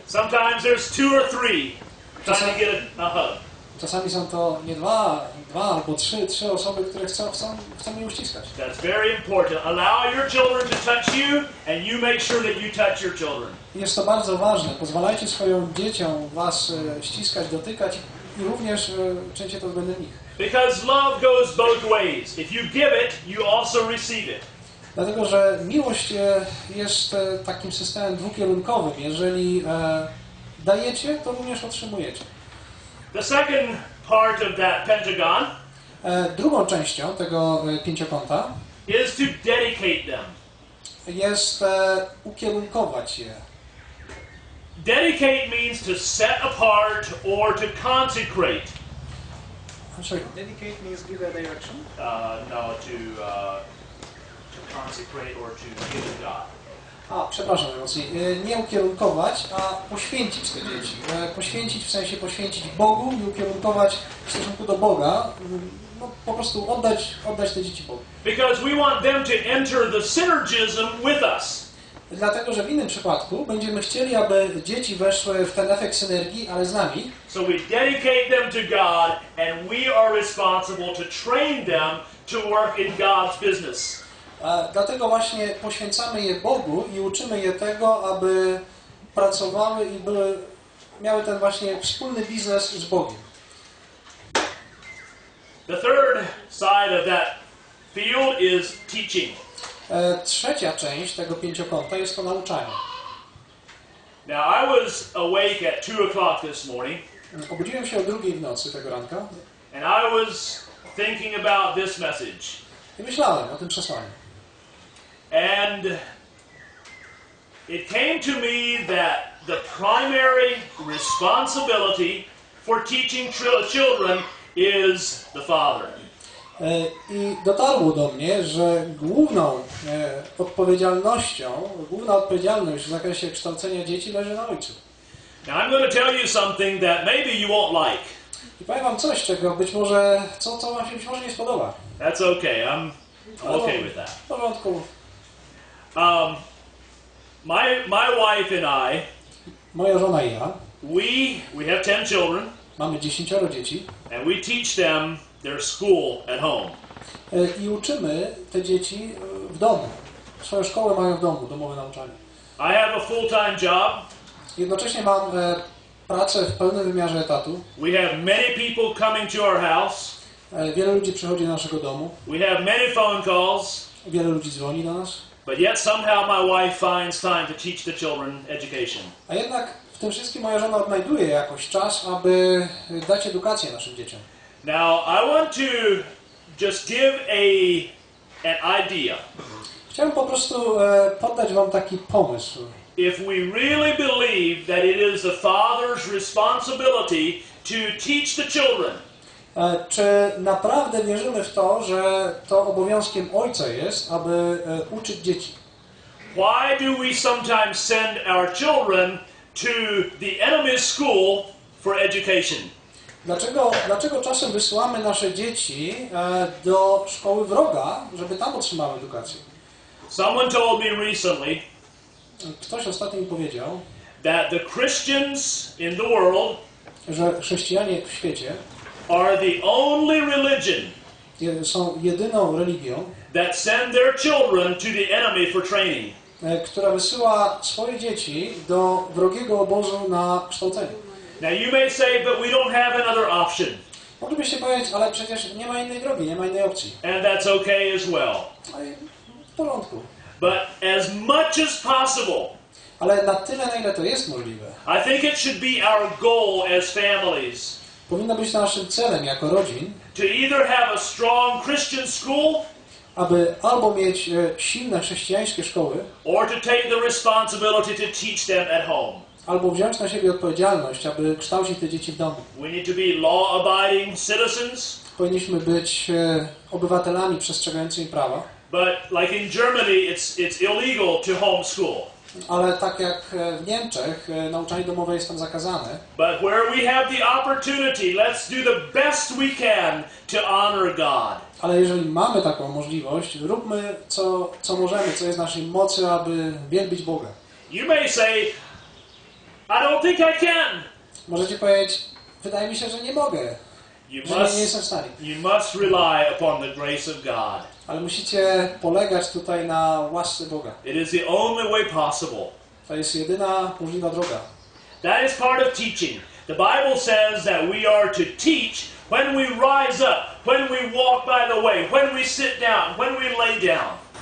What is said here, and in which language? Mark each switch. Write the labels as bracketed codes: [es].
[en] Sometimes there's two or three trying to get a hug. [pl] Czasami są to nie dwa albo trzy osoby, które chcą mnie uściskać. [en] That's very important. Allow your children to touch you, and you make sure that you touch your children. [pl] Jest to bardzo ważne. Pozwalajcie swoim dzieciom was ściskać, dotykać i również czyńcie to względem nich. [en] Because love goes both ways. If you give it, you also receive it. [pl] Dlatego, że miłość jest takim systemem dwukierunkowym. Jeżeli dajecie, to również otrzymujecie. [en] The second part of that pentagon. [pl] Drugą częścią tego pięciokąta [en] is to dedicate them. [pl] Jest ukierunkować je. [en] Dedicate means to set apart or to consecrate. I'm sorry. Dedicate means give a direction. To consecrate or to give to God. [pl] Przepraszam, nie ukierunkować, a poświęcić te dzieci. Poświęcić w sensie poświęcić Bogu i ukierunkować w stosunku do Boga. No, po prostu oddać te dzieci Bogu. [en] Because we want them to enter the synergism with us. [pl] Dlatego, że w innym przypadku będziemy chcieli, aby dzieci weszły w ten efekt synergii, ale z nami. [en] So we dedicate them to God and we are responsible to train them to work in God's business. [pl] Dlatego właśnie poświęcamy je Bogu i uczymy je tego, aby pracowały i miały ten właśnie wspólny biznes z Bogiem. [en] The third side of that field is teaching. [pl] Trzecia część tego pięciokąta jest to nauczanie. [en] Now I was awake at 2 o'clock this morning. [pl] Obudziłem się o 2 w nocy tego ranka. [en] And I was thinking about this message. [pl] I myślałem o tym przesłaniu. [en] And it came to me that the primary responsibility for teaching children is the father. [pl] I dotarło do mnie, że główną odpowiedzialnością, główna odpowiedzialność w zakresie kształcenia dzieci leży na ojcu. [en] Now I'm going to tell you something that maybe you won't like. [pl] I powiem wam coś, czego być może, co wam się być może nie spodoba. [en] That's okay, I'm okay with that. [pl] W porządku. [en] My wife and I. [pl] Moja żona i ja. [en] We have 10 children. [pl] Mamy 10 dzieci. [en] And we teach them their school at home. [pl] I uczymy te dzieci w domu. Swoją szkołę mają w domu, domowe nauczanie. [en] I have a full-time job. [pl] Jednocześnie mam pracę w pełnym wymiarze etatu. [en] We have many people coming to our house. [pl] Wiele ludzi przychodzi do naszego domu. [en] We have many phone calls. [pl] Wiele ludzi dzwoni do nas. [en] But yet somehow my wife finds time to teach the children education. [pl] A jednak w tym wszystkim moja żona odnajduje jakoś czas, aby dać edukację naszym dzieciom. [en] Now I want to just give an idea. [pl] Chciałem po prostu poddać wam taki pomysł. [en] If we really believe that it is the father's responsibility to teach the children. [pl] Czy naprawdę wierzymy w to, że to obowiązkiem ojca jest, aby uczyć dzieci? [en] Why do we sometimes send our children to the enemy's school for education? [pl] Dlaczego czasem wysyłamy nasze dzieci do szkoły wroga, żeby tam otrzymały edukację? [en] Someone told me recently. [pl] Ktoś ostatnio mi powiedział, [en] that the Christians in the world, [pl] że chrześcijanie w świecie, [en] are the only religion, [pl] są jedyną religią, [en] that send their children to the enemy for training, [pl] która wysyła swoje dzieci do wrogiego obozu na kształcenie. [en] Now you may say, but we don't have another option. [pl] Moglibyście powiedzieć, ale przecież nie ma innej drogi, nie ma innej opcji. [en] And that's okay as well. [pl] W porządku. [en] But as much as possible. [pl] Ale na tyle, na ile to jest możliwe. [en] I think it should be our goal as families. [pl] Powinno być naszym celem jako rodzin. [en] To either have a strong Christian school, [pl] aby albo mieć silne chrześcijańskie szkoły, [en] or to take the responsibility to teach them at home. [pl] Albo wziąć na siebie odpowiedzialność, aby kształcić te dzieci w domu. [en] We need to be law-abiding citizens. [pl] Powinniśmy być obywatelami przestrzegającymi prawa. [en] But like in Germany, it's illegal to homeschool. [pl] Ale tak jak w Niemczech, nauczanie domowe jest tam zakazane. [en] But where we have the opportunity, let's do the best we can to honor God. [pl] Ale jeżeli mamy taką możliwość, róbmy co możemy, co jest w naszej mocy, aby wielbić Boga. [en] You may say, I don't think I can. [pl] Możecie powiedzieć, wydaje mi się, że nie mogę. Nie jestem w stanie. [en] You must rely upon the grace of God. [pl] Ale musicie polegać tutaj na łasce Boga. [en] It is the only way possible. [pl] To jest jedyna możliwa droga. [en] That is part of teaching. The Bible says that we are to teach when we rise up, when we walk by the way, when we sit down, when we lay down.